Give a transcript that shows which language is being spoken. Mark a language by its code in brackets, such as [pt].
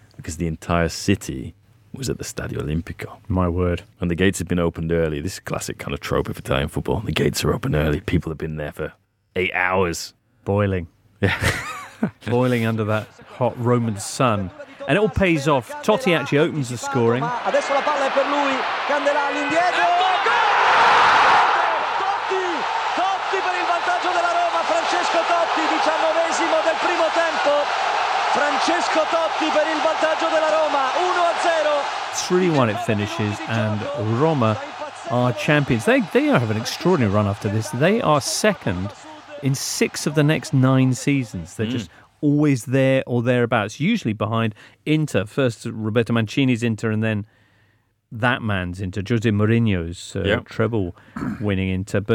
[en] Because the entire city was at the Stadio Olimpico. My word. And the gates had been opened early. This is a classic kind of trope of Italian football. The gates are open early. People have been there for 8 hours. Boiling. Yeah. Boiling under that hot Roman sun. And it all pays off. Totti actually opens the scoring. [it] Adesso la palla è per lui. Candelà all'indietro. Totti! Totti per il vantaggio della Roma. Francesco Totti, 19esimo del primo tempo. Francesco Totti per il vantaggio della Roma, 1-0. [en] 3-1 it finishes, and Roma are champions. They have an extraordinary run after this. They are second in 6 of the next 9 seasons. They're just always there or thereabouts, usually behind Inter. First Roberto Mancini's Inter, and then that man's Inter, Jose Mourinho's treble winning Inter.